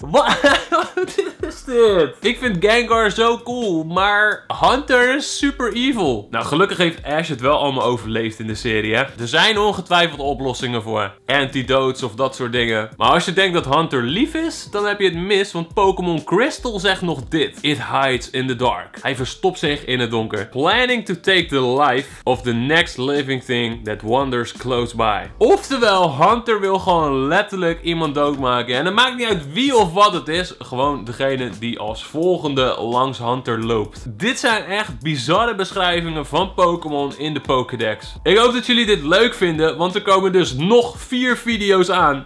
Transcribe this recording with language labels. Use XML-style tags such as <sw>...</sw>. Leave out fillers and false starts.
<nl>Wat is dit? Ik vind Gengar zo cool, maar Hunter is super evil. Nou, gelukkig heeft Ash het wel allemaal overleefd in de serie, hè. Er zijn ongetwijfeld oplossingen voor antidotes of dat soort dingen. Maar als je denkt dat Hunter lief is, dan heb je het mis, want Pokémon Crystal zegt nog dit.</nl> <en>It hides in the dark.</en> <nl>Hij verstopt zich in het donker.</nl> <en>Planning to take the life of the next living thing that wanders close by.</en> <nl>Oftewel, Hunter wil gewoon letterlijk iemand doodmaken. En het maakt niet uit wie of wat het is. Gewoon degene die als volgende langs Hunter loopt. Dit zijn echt bizarre beschrijvingen van Pokémon in de Pokédex. Ik hoop dat jullie dit leuk vinden, want er komen dus nog 4 video's aan.</nl>